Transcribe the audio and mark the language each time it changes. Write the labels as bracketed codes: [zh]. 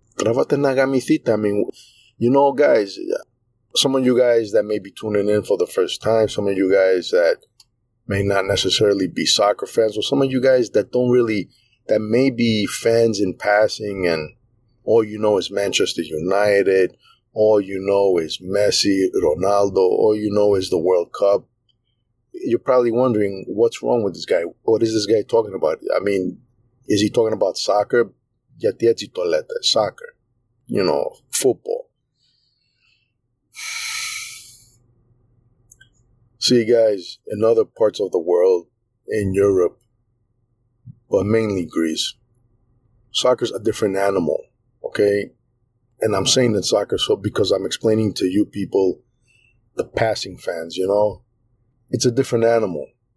[en] You know, guys, some of you guys that may be tuning in for the first time, some of you guys that may not necessarily be soccer fans, or some of you guys that don't really, that may be fans in passing and all you know is Manchester United, all you know is Messi, Ronaldo, all you know is the World Cup. You're probably wondering, what's wrong with this guy? What is this guy talking about? I mean, is he talking about soccer? [el] Γιατί έτσι το λέτε, soccer, [en] you know, football. See, guys, in other parts of the world, in Europe, but mainly Greece, soccer's a different animal, okay? And I'm saying that soccer, so because I'm explaining to you people, the passing fans, you know? It's a different animal.